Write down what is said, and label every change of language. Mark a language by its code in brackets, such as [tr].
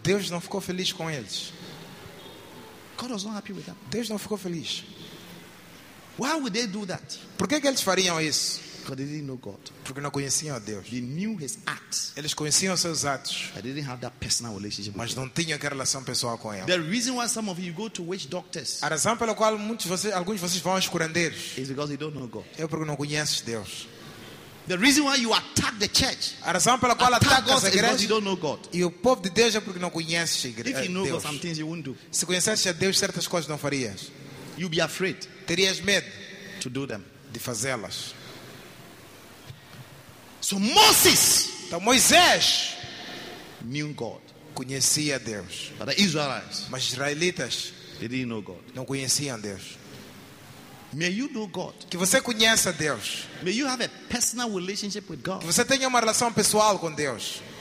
[pt] Deus não ficou feliz com eles. [en] God was not happy with them. [pt] Deus não ficou feliz. [en] Why would they do that? [pt] Por que eles fariam isso? [en] Because they didn't know God. [pt] Porque não conheciam a Deus. [en] They knew his acts. [pt] Eles conheciam os seus atos. [en] But they didn't have that personal relationship. [pt] Mas não tinham aquela relação pessoal com ele. [en] The reason why some of you go to witch doctors. [pt] A razão pela qual muitos de vocês, alguns de vocês vão aos curandeiros. [en] Is because they don't know God. [pt] É porque não conhecem Deus. [en] The reason why you attack the church. [pt] A razão pela qual atacas a igreja. [en] You don't know God. [pt] E o povo de Deus é porque não conhece a igreja. [en] If you know God, some things you won't do. [pt] Se conhecesse a Deus, certas coisas não farias. [en] You'd be afraid. [pt] Terias medo [en] to do them. [pt] De fazê-las. [en] So Moses. [pt] Então Moisés [en] knew God. [pt] conhecia Deus. [en] But the Israelites, [pt] mas israelitas, [en] they didn't know God. [pt] Não conheciam Deus. [en] May you know God. [pt] Que você conheça Deus. [en] May you have a personal relationship with God. [pt] Que você tenha uma relação pessoal com Deus.